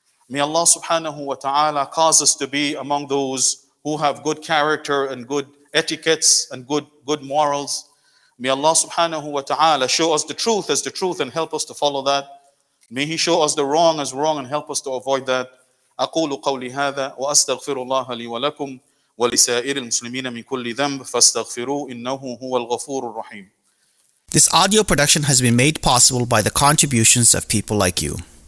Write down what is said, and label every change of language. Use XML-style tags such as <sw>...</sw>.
<en>May Allah subhanahu wa ta'ala cause us to be among those who have good character and good etiquettes and good morals. May Allah subhanahu wa ta'ala show us the truth as the truth and help us to follow that. May He show us the wrong as wrong and help us to avoid that.</en> <ar>أقول قولي هذا وأستغفر الله لي ولكم ولسائر المسلمين من كل ذنب فاستغفروه إنه هو الغفور الرحيم.</ar> <en>This audio production has been made possible by the contributions of people like you.</en>